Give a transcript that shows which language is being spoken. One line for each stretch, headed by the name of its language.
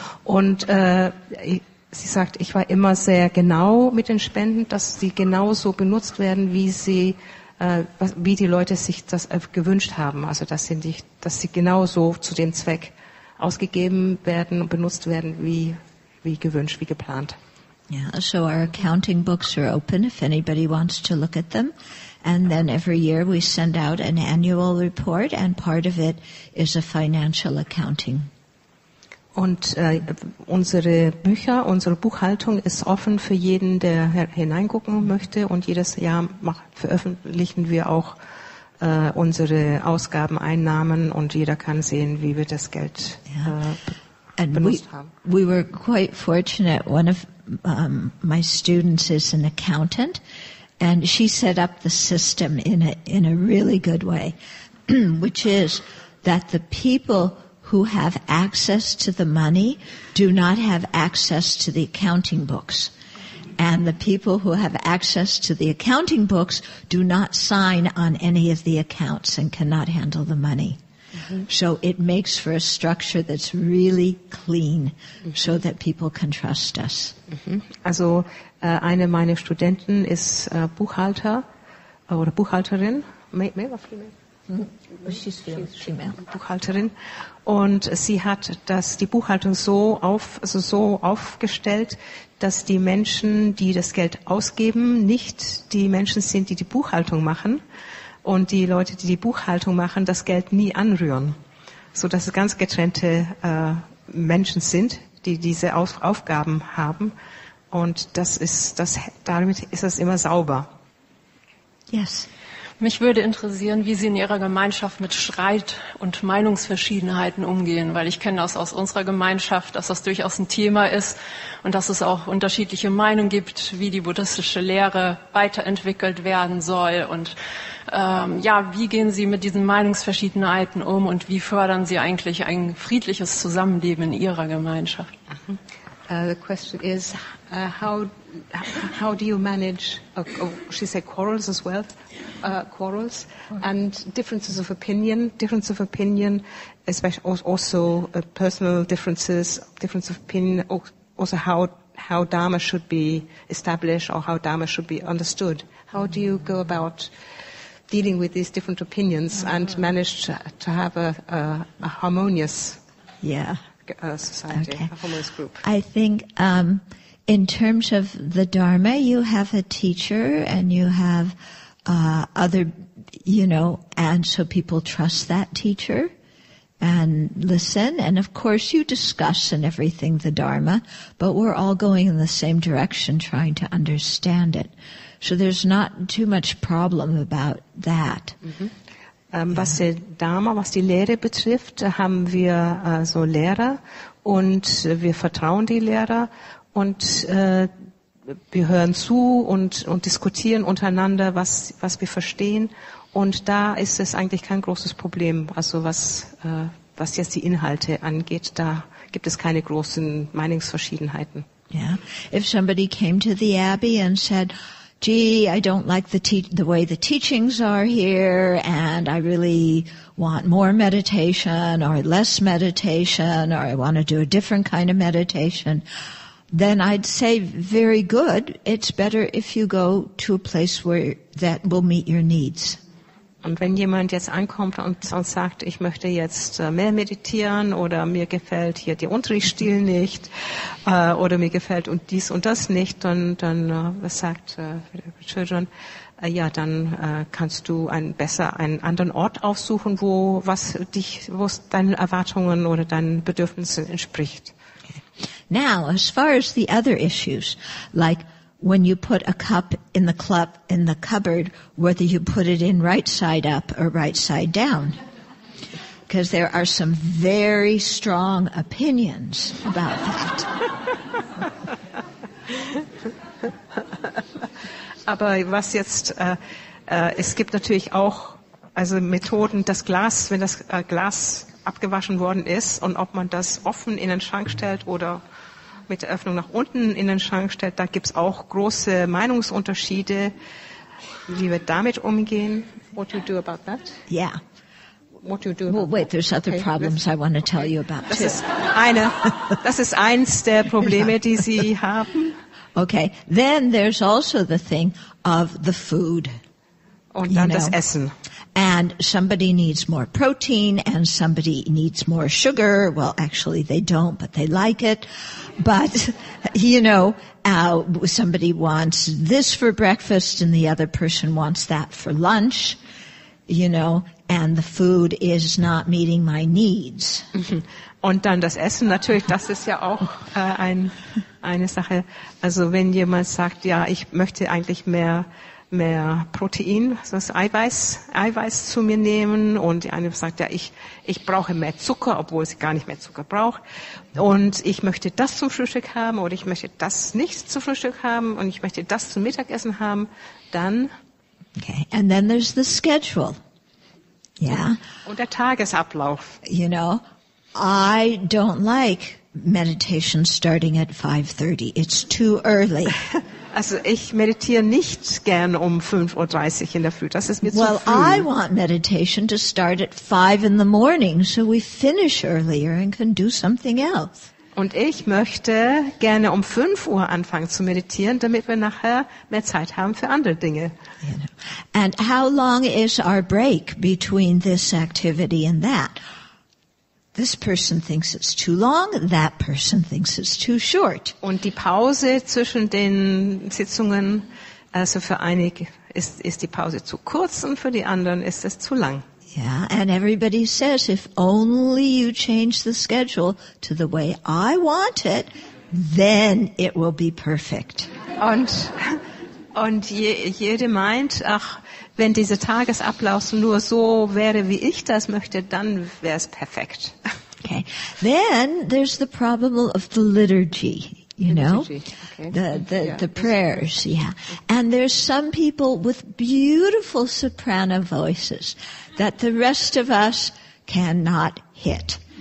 German: Und sie sagt, ich war immer sehr genau mit den Spenden, dass sie genauso benutzt werden, wie die Leute sich das gewünscht haben. Also dass sie genauso zu dem Zweck ausgegeben werden und benutzt werden, wie gewünscht, wie geplant.
English: Yeah, so our accounting books are open if anybody wants to look at them. And then every year we send out an annual report, and part of it is a financial accounting.
German: Und unsere Bücher, unsere Buchhaltung ist offen für jeden, der hineingucken möchte. Und jedes Jahr veröffentlichen wir auch unsere Ausgaben, Einnahmen, und jeder kann sehen, wie wir das Geld benutzt haben.
English: We were quite fortunate. One of my students is an accountant. And she set up the system in a really good way, which is that the people who have access to the money do not have access to the accounting books. And the people who have access to the accounting books do not sign on any of the accounts and cannot handle the money. Mm-hmm. So it makes for a structure that's really clean, mm-hmm. so that people can trust us. Mm-hmm.
German: Also eine meiner Studenten ist Buchhalter oder Buchhalterin,
English: male or female? Mm-hmm. She's female.
German: Buchhalterin, und sie hat die Buchhaltung so aufgestellt, dass die Menschen, die das Geld ausgeben, nicht die Menschen sind, die Buchhaltung machen. Und die Leute, die Buchhaltung machen, das Geld nie anrühren, so dass es ganz getrennte Menschen sind, die diese Aufgaben haben. Und damit ist es immer sauber.
English: Yes.
German: Mich würde interessieren, wie Sie in Ihrer Gemeinschaft mit Streit und Meinungsverschiedenheiten umgehen, weil ich kenne das aus unserer Gemeinschaft, dass das durchaus ein Thema ist und dass es auch unterschiedliche Meinungen gibt, wie die buddhistische Lehre weiterentwickelt werden soll. Und wie gehen Sie mit diesen Meinungsverschiedenheiten um und wie fördern Sie eigentlich ein friedliches Zusammenleben in Ihrer Gemeinschaft?
English: The question is, how do you manage, quarrels as well, quarrels and differences of opinion, especially also personal differences of opinion, also how Dharma should be established or how Dharma should be understood. How do you go about dealing with these different opinions and manage to have a harmonious? Yeah. Society, okay. I think in terms of the Dharma, you have a teacher and you have other, you know, and so people trust that teacher and listen. And of course, you discuss and everything the Dharma, but we're all going in the same direction trying to understand it. So there's not too much problem about that. Mm-hmm.
German: Was die Dharma, was die Lehre betrifft, haben wir so Lehrer und wir vertrauen die Lehrer und wir hören zu und diskutieren untereinander, was wir verstehen. Und da ist es eigentlich kein großes Problem, also was jetzt die Inhalte angeht, da gibt es keine großen Meinungsverschiedenheiten.
English: Ja, if somebody came to the Abbey and said, gee, I don't like the way the teachings are here, and I really want more meditation or less meditation, or I want to do a different kind of meditation, then I'd say, very good. It's better if you go to a place where that will meet your needs.
German: Und wenn jemand jetzt ankommt und sagt, ich möchte jetzt mehr meditieren oder mir gefällt hier der Unterrichtsstil nicht oder mir gefällt und dies und das nicht, dann sagt Children, ja, dann kannst du einen anderen Ort aufsuchen, wo deinen Erwartungen oder deinen Bedürfnissen entspricht.
English: Now, as far as the other issues, like when you put a cup in the cupboard, whether you put it in right side up or right side down. Because there are some very strong opinions about that.
German: Aber was jetzt, es gibt natürlich auch, also Methoden, das Glas, wenn das Glas abgewaschen worden ist und ob man das offen in den Schrank stellt oder mit der Öffnung nach unten in den Schrank stellt, da gibt es auch große Meinungsunterschiede, wie wir damit umgehen.
English: What do you do about that? Yeah. What do you do about that? There's other problems I want to tell you about.
German: Das ist eine. Das ist eins der Probleme, die Sie haben.
English: Okay. Then there's also the thing of the food.
German: Und dann das Essen.
English: And somebody needs more protein and somebody needs more sugar. Well, actually they don't, but they like it. But, you know, somebody wants this for breakfast and the other person wants that for lunch, you know, and the food is not meeting my needs.
German: Und dann das Essen, natürlich, das ist ja auch eine Sache. Also wenn jemand sagt, ja, ich möchte eigentlich mehr Protein, also das Eiweiß zu mir nehmen und die eine sagt, ja, ich brauche mehr Zucker, obwohl sie gar nicht mehr Zucker braucht und ich möchte das zum Frühstück haben oder ich möchte das nicht zum Frühstück haben und ich möchte das zum Mittagessen haben, dann
English: okay, and then there's the schedule. Yeah.
German: Und der Tagesablauf.
English: You know, I don't like meditation starting at 5:30. It's too early.
German: Also ich meditiere nicht gern 5:30 in der Früh. Das ist mir zu früh.
English: Well, I want meditation to start at 5 in the morning, so we finish earlier and can do something else.
German: Und ich möchte gerne 5 Uhr anfangen zu meditieren, damit wir nachher mehr Zeit haben für andere Dinge.
English: You know. And how long is our break between this activity and that? This person thinks it's too long, that person thinks it's too short.
German: Und die Pause zwischen den Sitzungen, also für einige ist die Pause zu kurz und für die anderen ist es zu lang.
English: Yeah, and everybody says, if only you change the schedule to the way I want it, then it will be perfect.
German: Und Und jede meint, ach, wenn dieser Tagesablauf nur so wäre, wie ich das möchte, dann wäre es perfekt.
English: Okay. Then there's the problem of the liturgy, you know? Okay. The prayers, yeah. And there's some people with beautiful soprano voices that the rest of us cannot hit.